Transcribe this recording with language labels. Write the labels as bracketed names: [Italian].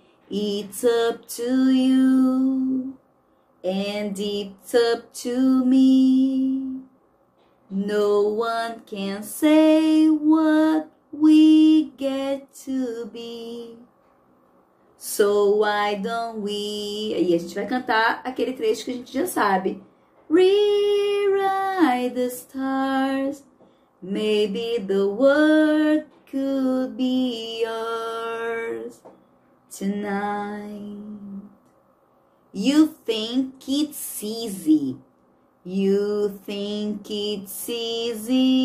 [English] It's up to you, and it's up to me. No one can say what we get to be. So why don't we? [Portuguese] Aí a gente vai cantar aquele trecho que a gente já sabe. [English] Rewrite the stars. Maybe the world could be yours tonight. You think it's easy. You think it's easy.